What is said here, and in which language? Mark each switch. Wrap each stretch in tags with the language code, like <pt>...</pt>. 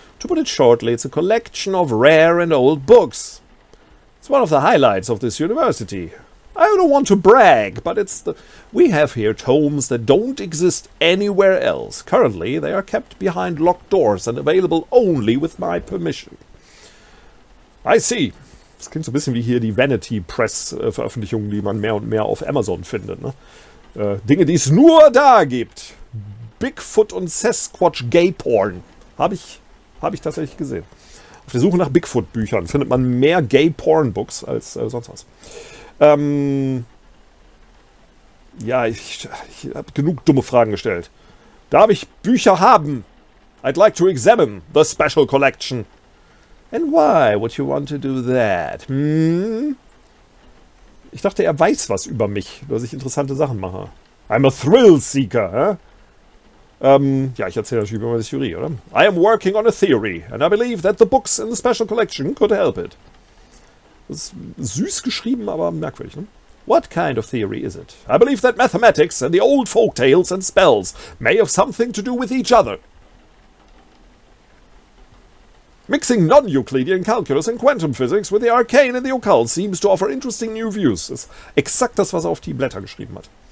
<en>To put it shortly, it's a collection of rare and old books. It's one of the highlights of this university. I don't want to brag, but we have here tomes that don't exist anywhere else. Currently, they are kept behind locked doors and available only with my permission. I see.</en> <de>Das klingt so ein bisschen wie hier die Vanity Press Veröffentlichungen, die man mehr und mehr auf Amazon findet. Ne? Dinge, die es nur da gibt. Bigfoot und Sasquatch Gay Porn. Habe ich tatsächlich gesehen. Auf der Suche nach Bigfoot Büchern findet man mehr Gay Porn Books als sonst was. Ich habe genug dumme Fragen gestellt. Darf ich Bücher haben?</de> <en>I'd like to examine the special collection. And why would you want to do that?</en> <de>Ich dachte, er weiß was über mich, dass ich interessante Sachen mache.</de> <en>I'm a thrill seeker, huh?</en> <de>Ich erzähle natürlich über meine Theorie, oder?</de> <en>I am working on a theory, and I believe that the books in the special collection could help it.</en> <de>Das ist süß geschrieben, aber merkwürdig, ne?</de> <en>What kind of theory is it? I believe that mathematics and the old folk tales and spells may have something to do with each other. Mixing non-Euclidean calculus and quantum physics with the arcane and the occult seems to offer interesting new views.</en> <de>Das ist exakt das, was er auf die Blätter geschrieben hat.</de>